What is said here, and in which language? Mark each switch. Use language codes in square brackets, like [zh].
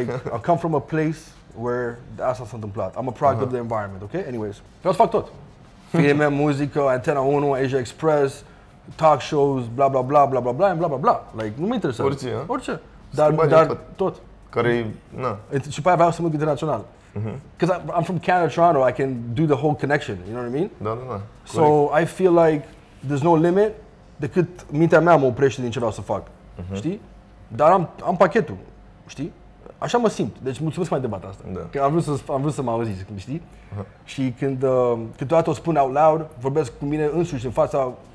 [en] Like I come from a place where [ro] asta s-a întâmplat. [en] I'm a product of the environment, okay? [ro] Anyways, vreau să fac tot. Fie muzică, Antena 1, Asia Express, talk shows, bla bla bla bla bla bla bla bla bla. Like nu mă interesează. Orice, ha? Orice. Dar tot. Care-i, na. Și pe aia vreau să mă duc internațional. [en] Because I'm from Canada, Toronto, I can do the whole connection, you know what I mean? [ro] Da, da, da. [en] So I feel like there's no limit [ro] decât mintea mea mă oprește din ce vreau să fac, știi? Dar am pachetul, știi? Așa mă simt, deci mulțumesc că m-ai întrebat asta. Da. Că am vrut să mă auziți, știi? Și când câteodată o spun [en] out loud, [ro] vorbesc cu mine însuși în fața